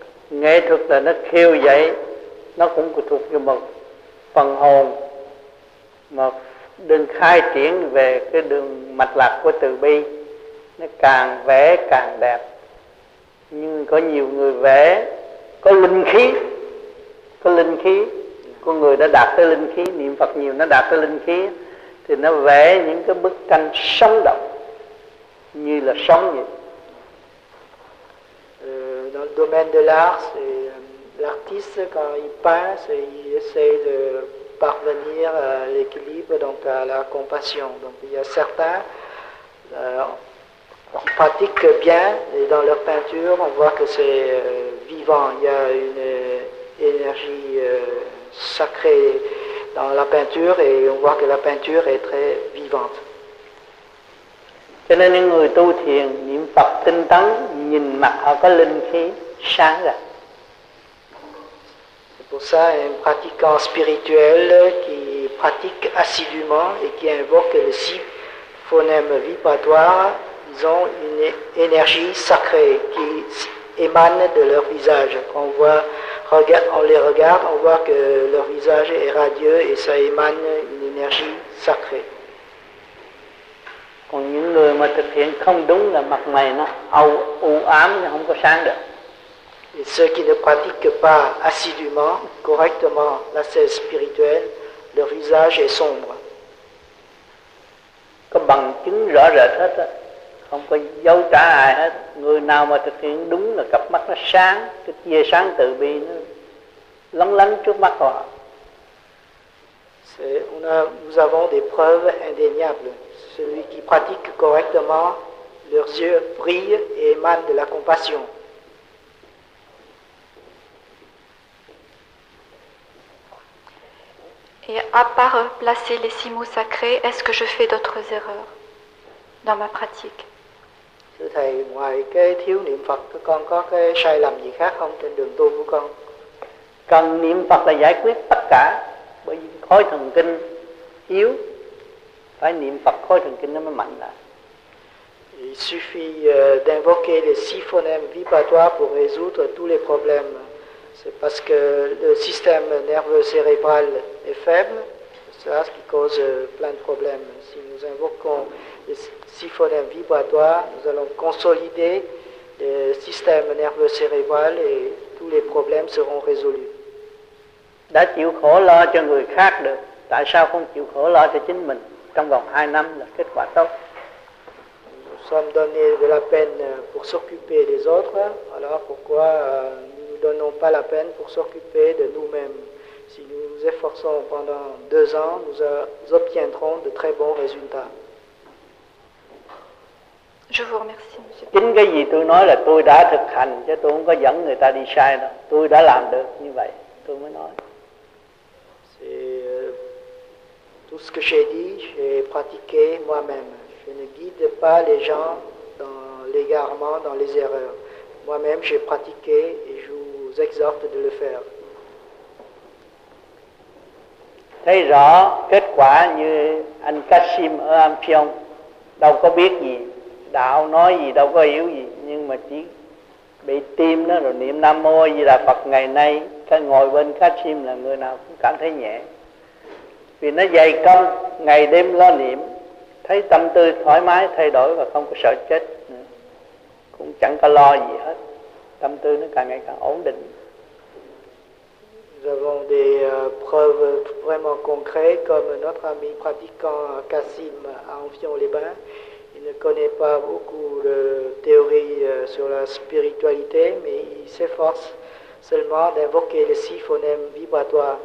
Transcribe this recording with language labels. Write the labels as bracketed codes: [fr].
[vi] Nghệ thuật là nó khiêu dậy, nó cũng thuộc vào một phần hồn mà đừng khai triển về cái đường mạch lạc của từ bi, nó càng vẽ càng đẹp. Nhưng có nhiều người vẽ có linh khí, có linh khí, con người đã đạt tới linh khí, niệm Phật nhiều nó đạt tới linh khí, thì nó vẽ những cái bức tranh sống động như là sống vậy. [fr] Dans le domaine de l'art, c'est l'artiste quand il peint, c'est, il essaie de parvenir à l'équilibre, donc à la compassion. Donc il y a certains qui pratiquent bien, et dans leur peinture, on voit que c'est vivant. Il y a une énergie sacrée dans la peinture, et on voit que la peinture est très vivante. [vi] Cho nên những người tu thiền, niệm Phật tinh tấn, nhìn mặt họ có linh khí, sáng ra. [fr] C'est pour ça un pratiquant spirituel qui pratique assidûment et qui invoque le six phonèmes vibratoires, ils ont une énergie sacrée qui émane de leur visage. Quand on les regarde, on voit que leur visage est radieux et ça émane une énergie sacrée. [vi] Còn những người mà thực hiện không đúng là mặt mày nó âu u ám, nó không có sáng được. [fr] Et ceux qui ne pratiquent pas assidûment, correctement la sève spirituelle, leur visage est sombre. [vi] Có bằng chứng rõ rệt hết á, không có dấu trả ai hết. Người nào mà thực hiện đúng là cặp mắt nó sáng, cái tia sáng từ bi nó lóng lánh trước mắt họ. [fr] Nous avons des preuves indéniables. Celui qui pratique correctement, leurs yeux brillent et émanent de la compassion. Et à part placer les six mots sacrés, est-ce que je fais d'autres erreurs dans ma pratique? [vi] Thưa thầy, ngoài cái thiếu niệm Phật, con có cái sai lầm gì khác không trên đường tu của con? Cần niệm Phật là giải quyết tất cả, bởi vì khối thần kinh yếu. Phải niệm Phật khối thần kinh nó mới mạnh là. [fr] Il suffit d'invoquer les six phonèmes vibratoires pour résoudre tous les problèmes. C'est parce que le système nerveux cérébral est faible, c'est ça qui cause plein de problèmes. Si nous invoquons les six phonèmes vibratoires, nous allons consolider le système nerveux cérébral et tous les problèmes seront résolus. [vi] Đã chịu khổ lo cho người khác được, tại sao không chịu khổ lo cho chính mình? Trong vòng 2 năm là kết quả tốt. [fr] Nous sommes donnés de la peine pour s'occuper des autres, alors pourquoi nous ne donnons pas la peine pour s'occuper de nous-mêmes? Si nous nous efforçons pendant 2 ans, nous obtiendrons de très bons résultats. Je vous remercie, monsieur. [vi] Chính cái gì tôi nói là tôi đã thực hành chứ tôi không có dẫn người ta đi sai đâu. Tôi đã làm được như vậy, tôi mới nói. [fr] Tout ce que j'ai dit, j'ai pratiqué moi-même. Je ne guide pas les gens dans l'égarement, dans les erreurs. Moi-même, j'ai pratiqué et je vous exhorte de le faire. [vi] Thấy rõ kết quả như anh Kasim ở Amphion, đâu có biết gì, đạo nói gì đâu có hiểu gì, nhưng mà chỉ bị tim nó rồi niệm Nam Mô Di Đà Phật ngày nay, cái ngồi bên Kasim là người nào cũng cảm thấy nhẹ. Vì nó dày công, ngày đêm lo niệm, thấy tâm tư thoải mái thay đổi và không có sợ chết nữa. Cũng chẳng có lo gì hết, tâm tư nó càng ngày càng ổn định. [fr] Nous avons des preuves vraiment concrètes, comme notre ami pratiquant Kasim à Amphion-les-Bains. Il ne connaît pas beaucoup de théorie sur la spiritualité, mais il s'efforce seulement d'invoquer les six phonèmes vibratoires.